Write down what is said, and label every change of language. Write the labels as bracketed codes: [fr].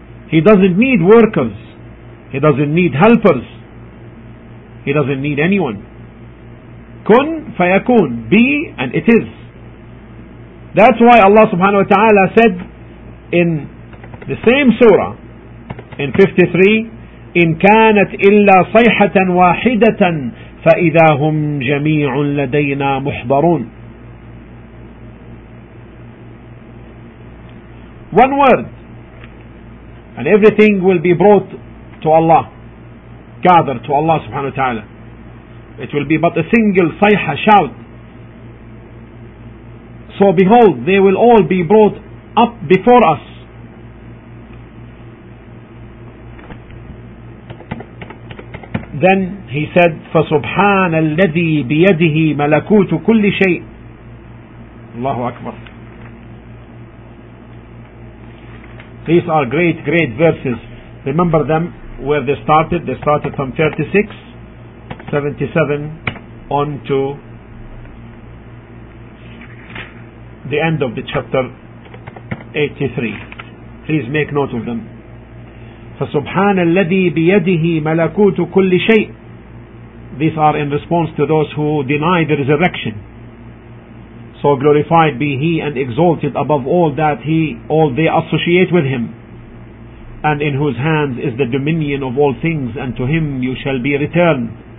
[en] He doesn't need workers. He doesn't need helpers. He doesn't need anyone. [ar] Kun fayakun, [en] be, and it is. That's why Allah subhanahu wa ta'ala said in the same surah, in 53, [ar] إن كانت إلا صيحة واحدة فإذا هم جميع لدينا محضرون. [en] One word and everything will be brought to Allah, gathered to Allah subhanahu wa ta'ala. It will be but a single sayha, shout. So behold, they will all be brought up before us. Then he said, [ar] فَسُبْحَانَ الَّذِي بِيَدِهِ مَلَكُوتُ كُلِّ شَيْءٍ. [en] Allahu Akbar. These are great, great verses. Remember them, where they started. They started from 36, 77, on to the end of the chapter 83. Please make note of them. [ar] فسبحان الذي بيده ملكوت كل شيء. [en] These are in response to those who deny the resurrection. So glorified be he and exalted above all that he, all they associate with him, and in whose hands is the dominion of all things, and to him you shall be returned.